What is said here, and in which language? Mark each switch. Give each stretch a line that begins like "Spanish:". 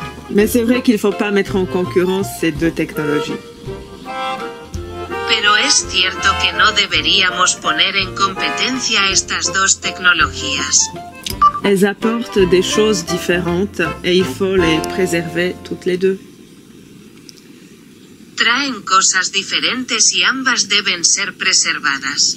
French: Mais c'est vrai qu'il ne faut pas mettre en concurrence ces deux technologies.
Spanish: Pero es cierto que no deberíamos poner en competencia estas dos tecnologías.
French: Elles apportent des choses différentes et il faut les préserver toutes les deux.
Spanish: Traen cosas diferentes y ambas deben ser preservadas.